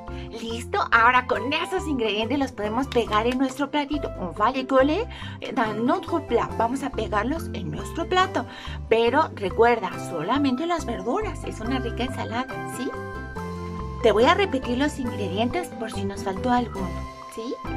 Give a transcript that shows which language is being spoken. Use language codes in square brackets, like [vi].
[es] Listo, ahora con esos ingredientes los podemos pegar en nuestro platito. [fr] On va les coller dans notre plat. [es] Vamos a pegarlos en nuestro plato. Pero recuerda, solamente las verduras. Es una rica ensalada, ¿sí? Te voy a repetir los ingredientes por si nos faltó alguno, ¿sí?